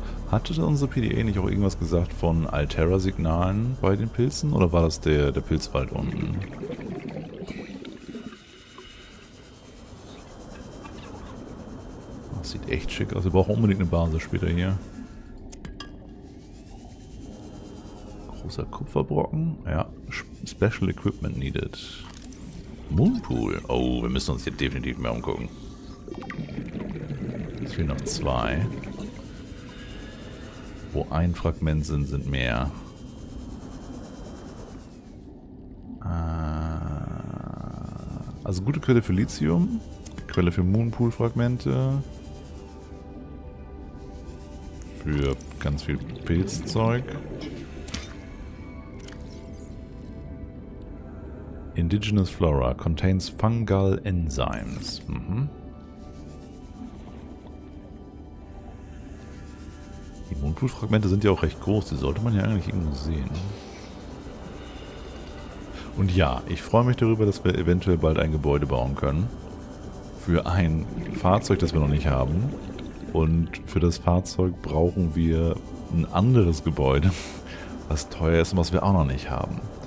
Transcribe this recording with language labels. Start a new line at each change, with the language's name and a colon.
German: Hatte unsere PDA nicht auch irgendwas gesagt von Altera-Signalen bei den Pilzen? Oder war das der Pilzwald unten? Das sieht echt schick aus. Wir brauchen unbedingt eine Basis später hier. Großer Kupferbrocken. Ja,
English: Special Equipment needed.
German: Moonpool. Oh, wir müssen uns hier definitiv mehr umgucken. Es fehlen noch zwei. Wo ein Fragment sind, sind mehr. Also gute Quelle für Lithium. Quelle für Moonpool-Fragmente. Für ganz viel Pilzzeug.
English: Indigenous Flora contains fungal enzymes. Mhm.
German: Die Mondpool-Fragmente sind ja auch recht groß, die sollte man ja eigentlich irgendwo sehen. Und ja, ich freue mich darüber, dass wir eventuell bald ein Gebäude bauen können. Für ein Fahrzeug, das wir noch nicht haben. Und für das Fahrzeug brauchen wir ein anderes Gebäude, was teuer ist und was wir auch noch nicht haben.